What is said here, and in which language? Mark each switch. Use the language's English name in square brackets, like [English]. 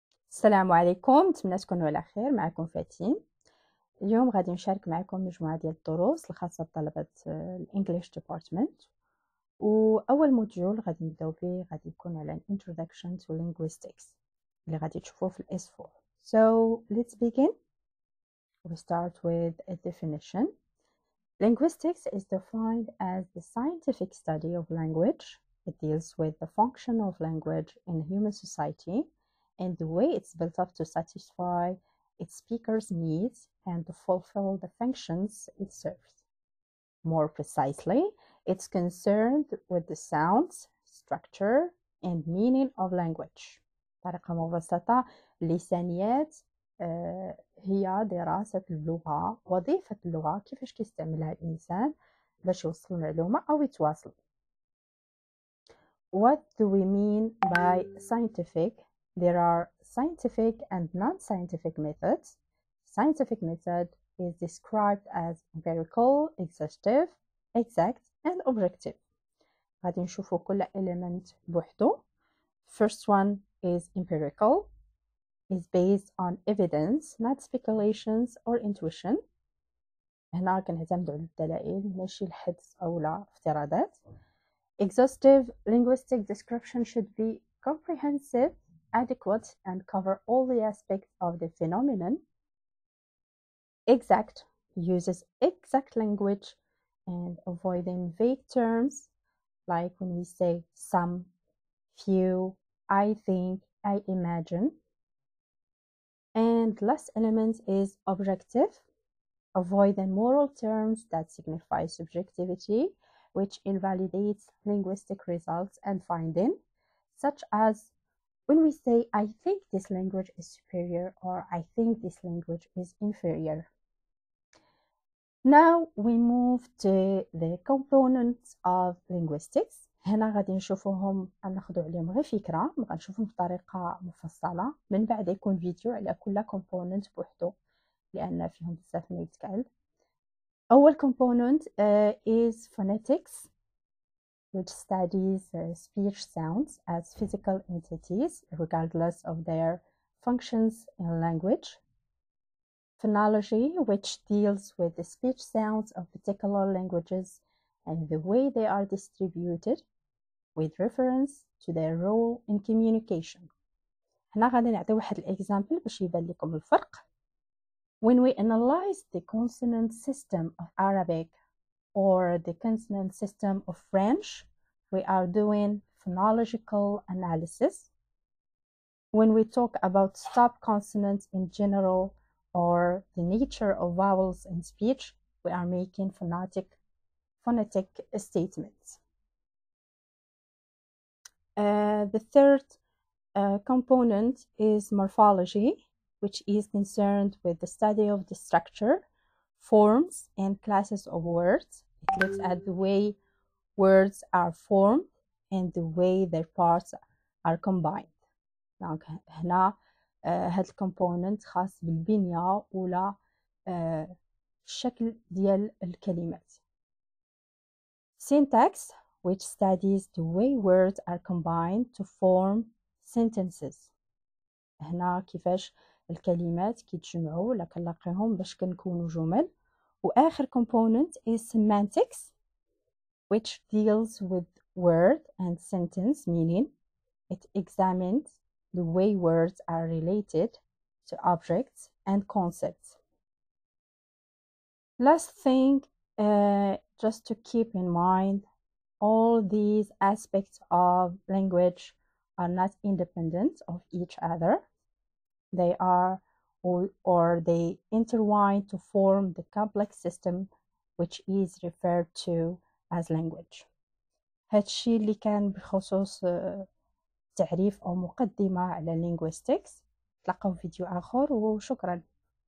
[Arabic] السلام عليكم، نتمنى تكونوا على خير. معكم فاتين. اليوم غادي نشارك معكم مجموعه ديال الدروس الخاصه بطلبه الانجليش ديبارتمنت، واول موديول غادي نبداو به غادي يكون على انتروداكشن تو لينغويستكس اللي غادي تشوفوه في الاس 4. [English] So let's begin. We start with a definition. Linguistics is defined as the scientific study of language. It deals with the function of language in human society and the way it's built up to satisfy its speakers' needs and to fulfill the functions it serves. More precisely, it's concerned with the sounds, structure, and meaning of language. [Arabic] بطريقة مبسطة، اللسانيات هي دراسة اللغة، وظيفة اللغة كيفاش كيستعملها الإنسان باش يوصل معلومة أو يتواصل. [English] What do we mean by scientific? There are scientific and non-scientific methods. Scientific method is described as empirical, exhaustive, exact, and objective. [Arabic] غادي نشوفو كل element بوحدو. [English] First one is empirical. It's based on evidence, not speculations or intuition. [Arabic] هنا كنعتمدو على الدلائل ماشي الحدس أو الافتراضات. [English] Exhaustive linguistic description should be comprehensive, adequate, and cover all the aspects of the phenomenon. Exact uses exact language and avoiding vague terms, like when we say some, few, I think, I imagine. And last element is objective, avoiding moral terms that signify subjectivity, which invalidates linguistic results and finding, such as when we say, I think this language is superior, or I think this language is inferior. Now we move to the components of linguistics. [Arabic] هنا غادي نشوفوهم، ناخذو عليهم غير فكرة، ما غنشوفهم بطريقة مفصلة. من بعد يكون فيديو على كل component بوحدو، لأن فيهم بزاف ما يتقال. أول [English] component is phonetics, which studies speech sounds as physical entities, regardless of their functions in language. Phonology, which deals with the speech sounds of particular languages and the way they are distributed, with reference to their role in communication. [Arabic] هنا غادي نعطي واحد الإكزامبل باش يبان لكم الفرق. [English] When we analyze the consonant system of Arabic or the consonant system of French, we are doing phonological analysis. When we talk about stop consonants in general or the nature of vowels in speech, we are making phonetic statements. The third component is morphology, which is concerned with the study of the structure, forms, and classes of words. It looks at the way words are formed and the way their parts are combined. [Arabic] دونك هنا هاد الكومبوننت خاص بالبنية ولا الشكل ديال الكلمات. [English] Syntax, which studies the way words are combined to form sentences. [Arabic] هنا كيفاش الكلمات كيتجمعوا ولا كنلاقيهم باش كنكونوا جمل. واخر كومبوننت [English] is semantics, which deals with word and sentence meaning. It examines the way words are related to objects and concepts. Last thing, just to keep in mind, all these aspects of language are not independent of each other. They are or they intertwine to form the complex system which is referred to as language. [Arabic] هادشي اللي كان بخصوص تعريف او مقدمة على linguistics. تلقوا فيديو اخر وشكرا.